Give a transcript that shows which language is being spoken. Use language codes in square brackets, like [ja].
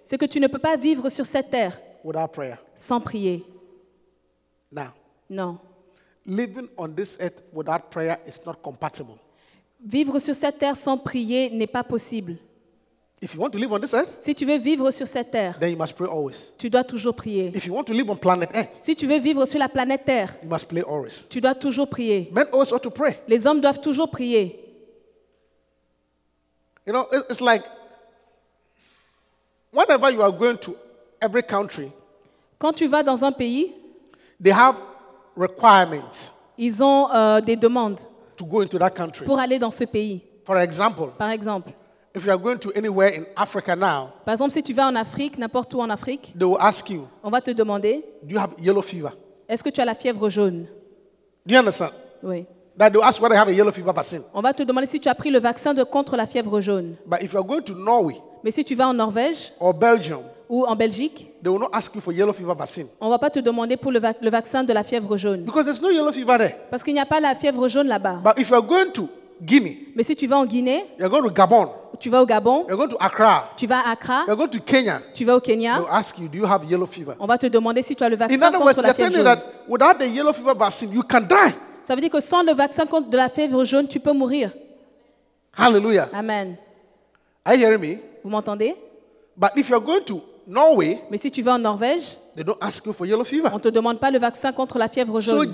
[fr] c'est que tu ne peux pas vivre sur cette terre [en] without prayer. [fr] Sans prier. [en] Now, [fr] non. [en] Living on this earth without prayer is not compatible. [fr] Vivre sur cette terre sans prier n'est pas possible. [en] If you want to live on this earth, [fr] si tu veux vivre sur cette terre, [en] then you must pray always. [fr] Tu dois toujours prier. [en] If you want to live on planet earth, [fr] si tu veux vivre sur la planète Terre, [en] you must pray always. [fr] Tu dois toujours prier. [en] Men always ought to pray. [fr] Les hommes doivent toujours prier. [en] You know, it's like whenever you are going to every country, [fr] quand tu vas dans un pays, [en] they have requirements. [fr] Ils ont des demandes [en] to go into that country. [fr] Pour aller dans ce pays. [en] For example, [fr] par exemple, [en] if you are going to anywhere in Africa now, [fr] par exemple, si tu vas en Afrique, n'importe où en Afrique, [en] they will ask you, [fr] on va te demander, [en] do you have yellow fever? [fr] Est-ce que tu as la fièvre jaune? [en] Do you understand? [fr] Oui. [en] That they will ask whether you have a yellow fever vaccine. [fr] On va te demander si tu as pris le vaccin contre la fièvre jaune. [en] But if you are going to Norway, [fr] mais si tu vas en Norvège, [en] or Belgium, [fr] ou en Belgique, [en] they will not ask you for yellow fever vaccine. [fr] On va pas te demander pour le vaccin de la fièvre jaune. [en] Because there's no yellow fever there. [fr] Parce qu'il n'y a pas la fièvre jaune là-bas. [en] But if you are going to Guinea, [fr] mais si tu vas en Guinée, [en] you are going to Gabon. [fr] Tu vas au Gabon. [en] You're going to Accra. [fr] Tu vas à Accra. [en] You're going to Kenya. [fr] Tu vas au Kenya. [en] They'll ask you, do you have yellow fever? [fr] On va te demander si tu as le vaccin contre la fièvre jaune. [en] In other words, they're telling you that without the yellow fever vaccine, you can die. [fr] Ça veut dire que sans le vaccin contre de la fièvre jaune, tu peux mourir. Hallelujah. Amen. [en] Are you hearing me? [fr] Vous m'entendez? [en] But if you're going to Norway, [fr] mais si tu vas en Norvège, [en] they don't ask you for yellow fever. [fr] On te demande pas le vaccin contre la fièvre jaune.